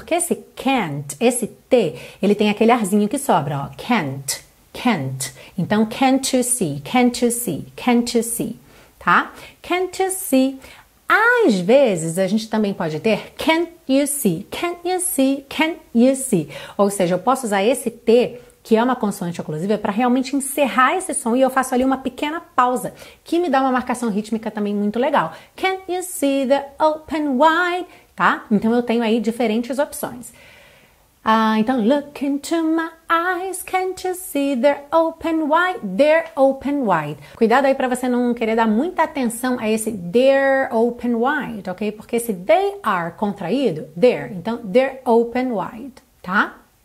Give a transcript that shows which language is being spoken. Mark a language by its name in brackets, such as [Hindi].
[Portuguese] Porque esse can't, esse T, ele tem aquele arzinho que sobra, ó. [English] Can't, can't. Então, can't you see, can't you see, can't you see, tá? Can't you see? [Portuguese] Às vezes, a gente também pode ter [English] can't you see, can't you see, can't you see. [Portuguese] Ou seja, eu posso usar esse T, que é uma consoante oclusiva, para realmente encerrar esse som e eu faço ali uma pequena pausa, que me dá uma marcação rítmica também muito legal. [English] Can you see the open wide? [Portuguese] Tá? Então eu tenho aí diferentes opções. Ah, então, [English] look into my eyes, can't you see they're open wide? They're open wide. [Portuguese] Cuidado aí para você não querer dar muita atenção a esse [English] they're open wide, [Portuguese] ok? Porque esse [English] they are [Portuguese] contraído, they're, então [English] they're open wide, [Portuguese] tá?